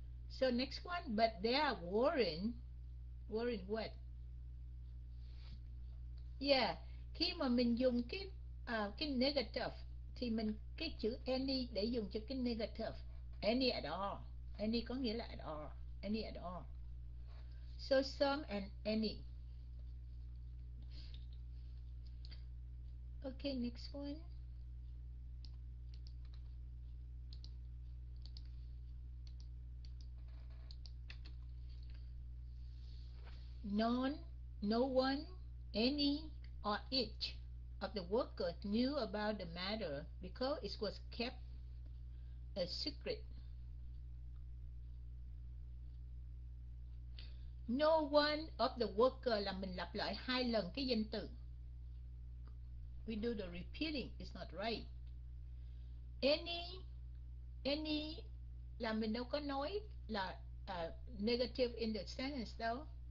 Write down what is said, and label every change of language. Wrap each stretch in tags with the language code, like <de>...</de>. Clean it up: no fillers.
<en>So next one, but they are worrying what?</en> <vi>Yeah, khi mà mình dùng cái negative thì mình cái chữ any để dùng cho cái negative.</vi> <en>Any at all. Any</en> <vi>có nghĩa là</vi> <en>at all. Any at all. So some and any. Okay, next one. None, no one, any, or each of the workers knew about the matter because it was kept a secret. No one of the workers,</en> <vi>là mình lặp lại hai lần cái danh từ.</vi> <en>We do the repeating, it's not right.</en> <vi>Any, là mình đâu có nói là</vi> <en>negative in the sentence though.</en>